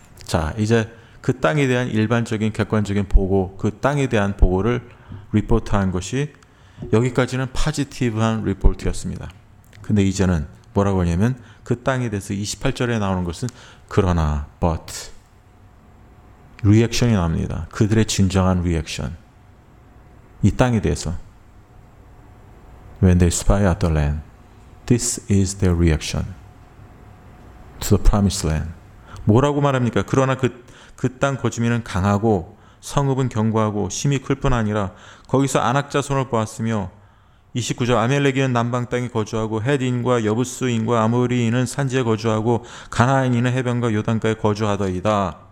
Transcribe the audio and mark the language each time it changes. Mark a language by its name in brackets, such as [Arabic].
[Korean] 자, 이제 그 땅에 대한 일반적인 객관적인 보고, 그 땅에 대한 보고를 리포트한 것이 여기까지는 파지티브한 리포트였습니다. 근데 이제는 뭐라고 하냐면 그 땅에 대해서 28절에 나오는 것은 그러나 but 리액션이 나옵니다. 그들의 진정한 리액션. 이 땅에 대해서 [English] When they spy out the land, this is their reaction to the promised land. [Korean] 뭐라고 말합니까? 그러나 그 땅 거주민은 강하고 성읍은 견고하고 심히 클 뿐 아니라 거기서 아낙 자손을 보았으며 29절 아멜렉인은 남방 땅에 거주하고 헷인과 여부스인과 아모리인은 산지에 거주하고 가나안인은 해변과 요단가에 거주하더이다.